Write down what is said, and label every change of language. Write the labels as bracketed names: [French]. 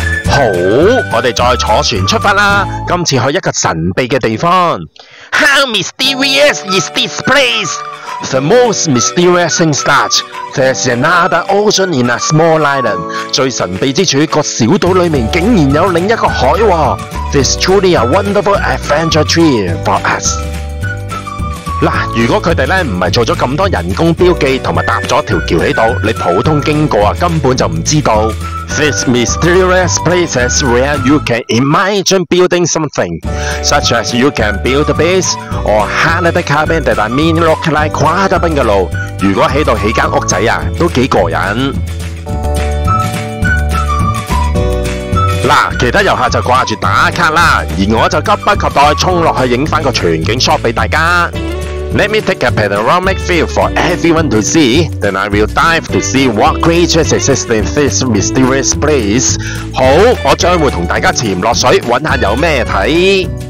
[Cantonese] 好，我哋再坐船出发啦！今次去一个神秘嘅地方。 [English] How mysterious is this place? The most mysterious thing is that there's another ocean in a small island. [Cantonese] 最神秘之处，个小岛里面竟然有另一个海。 [English] This truly a wonderful adventure trip for us. [Cantonese] 嗱，如果佢哋咧唔系做咗咁多人工标记同埋搭咗条桥喺度，你普通经过啊根本就唔知道。 [English] This mysterious place is where you can imagine building something, such as you can build a base or hide the cabin that I mean look like quite a bungalow。 [Cantonese] 如果喺度起间屋仔啊，都几过瘾。嗱，其他游客就挂住打卡啦，而我就急不及待冲落去影翻个全景 shot 俾大家。 [English] Let me take a panoramic view for everyone to see, then I will dive to see what creatures exist in this mysterious place. [Cantonese] 好，我将会同大家潜落水，找下有咩睇。